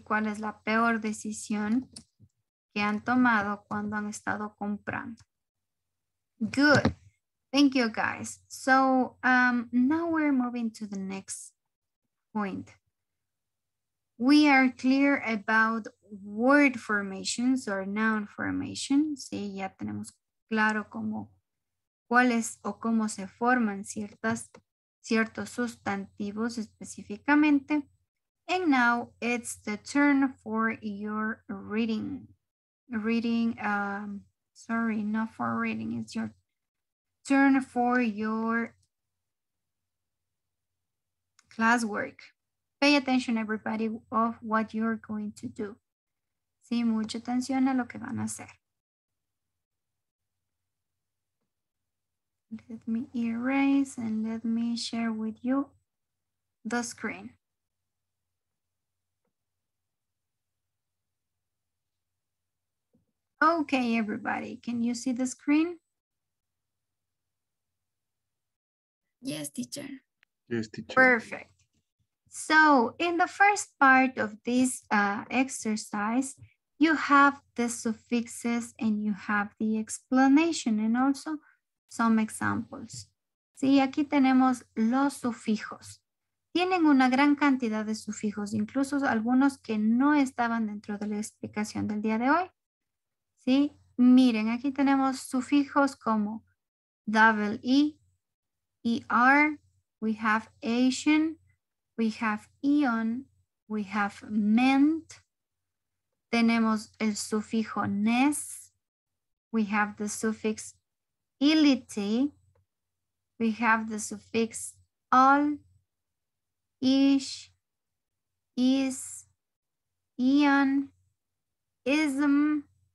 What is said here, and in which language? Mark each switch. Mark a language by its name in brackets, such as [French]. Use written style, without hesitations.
[Spanish] ¿Cuál es la peor decisión que han tomado cuando han estado comprando? [English] Good. Thank you, guys. So, now we're moving to the next point. We are clear about word formations or noun formation. [Spanish] ¿Sí? Ya tenemos claro cómo, cuáles o cómo se forman ciertos sustantivos específicamente. [English] And now it's the turn for your reading. It's your turn for your classwork. Pay attention, everybody, of what you're going to do. [Spanish] Sí, mucha atención a lo que van a hacer. [English] Let me erase and let me share with you the screen. Okay, everybody, can you see the screen? Yes, teacher. Yes, teacher. Perfect. So in the first part of this exercise, you have the suffixes and you have the explanation and also some examples. [Spanish] Sí, aquí tenemos los sufijos. Tienen una gran cantidad de sufijos, incluso algunos que no estaban dentro de la explicación del día de hoy. ¿Sí? Miren, aquí tenemos sufijos como [English] double E, ER, we have Asian, we have Eon, we have Meant, [Spanish] tenemos el sufijo [English] NES, we have the suffix ILITY, we have the suffix ALL, ISH, IS, EON, ISM,